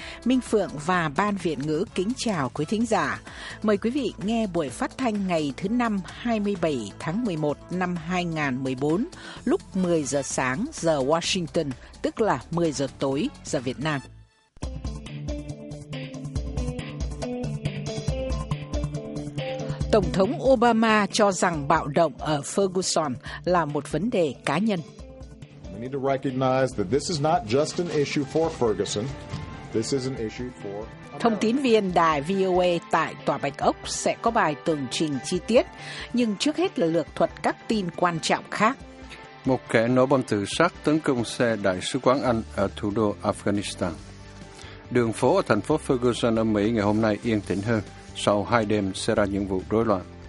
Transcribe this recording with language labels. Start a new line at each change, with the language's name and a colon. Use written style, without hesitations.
Vietnamese: Minh Phượng và Ban Việt Ngữ kính chào quý thính giả. Mời quý vị nghe buổi phát thanh ngày thứ Năm 27 tháng 11 năm 2014, lúc 10 giờ sáng giờ Washington, tức là 10 giờ tối giờ Việt Nam. Tổng thống Obama cho rằng bạo động ở Ferguson là một vấn đề cá nhân.
English: We need to recognize that this is not just an issue for Ferguson. This is an issue for
Vietnamese: Thông tín viên đài VOA tại Tòa Bạch Ốc sẽ có bài tường trình chi tiết, nhưng trước hết là lược thuật các tin quan trọng khác. Một kẻ nổ bom tự sát tấn công xe đại sứ quán Anh ở thủ đô Afghanistan. Đường phố ở thành phố Ferguson ở Mỹ ngày hôm nay yên tĩnh hơn sau hai đêm xảy ra những vụ rối loạn.